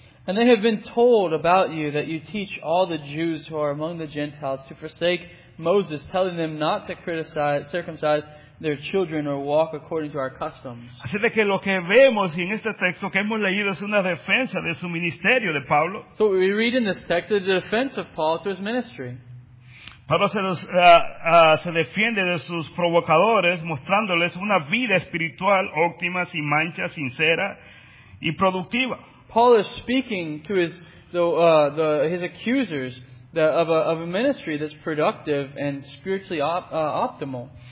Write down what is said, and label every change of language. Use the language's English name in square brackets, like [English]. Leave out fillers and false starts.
[English] And they have been told about you that you teach all the Jews who are among the Gentiles to forsake Moses, telling them not to circumcise their children or walk according to our customs. [Spanish] Así de que lo que vemos en este texto que hemos leído es una defensa de su ministerio de Pablo. [English] So what we read in this text is the defense of Paul to his ministry. [Spanish] Pablo se defiende de sus provocadores mostrándoles una vida espiritual óptima, sin mancha, sincera y productiva. [English] Paul is speaking to his accusers of a ministry that's productive and spiritually optimal.